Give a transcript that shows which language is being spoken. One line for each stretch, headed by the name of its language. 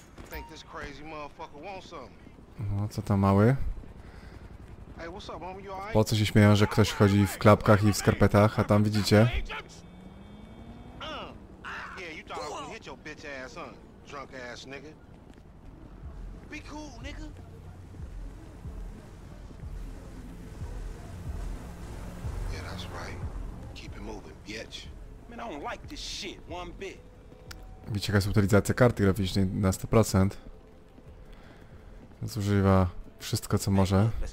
English: Think this crazy motherfucker wants something.
Polish: No, co tam, mały?
English: Hey, what's up, homie? You all right?
Polish: Po co się śmieją, że ktoś chodzi w klapkach i w skarpetach, a tam widzicie?
English: Yeah, you thought I was gonna hit your bitch ass, huh? Drunk ass nigga. Be cool, nigga. Yeah, that's right. Keep it moving, bitch. I don't like this shit one bit.
Polish: Widzicie, jaka jest utylizacja karty graficznej na 100%. Zużywa wszystko, co może.